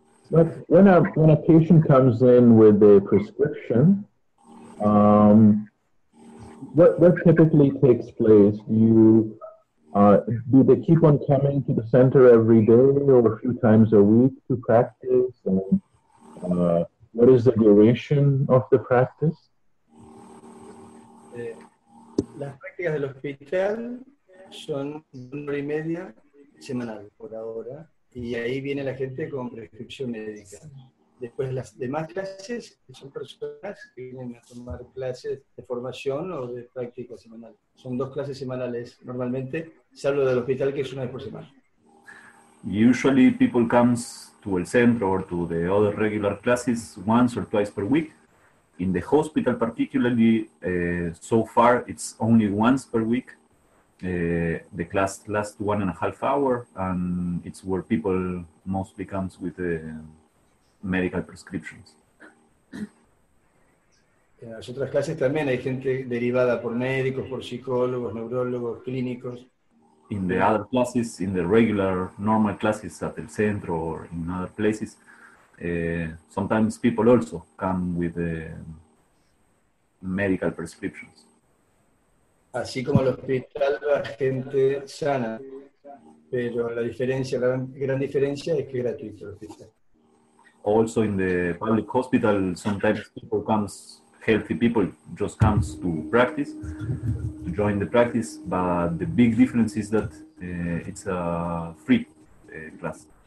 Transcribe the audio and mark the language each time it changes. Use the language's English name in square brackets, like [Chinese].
[English] But when a patient comes in with a prescription, what typically takes place? Do they keep on coming to the center every day or a few times a week to practice? And what is the duration of the practice? [Spanish] Las prácticas del hospital son una hora y media semanal por ahora, y ahí viene la gente con prescripción médica. Después las demás clases son personas que vienen a tomar clases de formación o de práctica semanal. Son dos clases semanales normalmente, salvo del hospital, que es una vez por semana. [English] Usually people comes to el centro or to the other regular classes once or twice per week. In the hospital particularly, so far it's only once per week. The class lasts 1.5 hours, and it's where people mostly comes with the medical prescriptions. [Spanish] En las otras clases también hay gente derivada por médicos, por psicólogos, neurólogos, clínicos. [English] In the other classes, in the regular, normal classes at the centro or in other places, sometimes people also come with the medical prescriptions. [Spanish] Así como el hospital va gente sana, pero la diferencia, la gran diferencia es que es gratuito el hospital. [English] Also in the public hospital, sometimes people comes, healthy people just comes to practice, to join the practice, but the big difference is that it's a free class.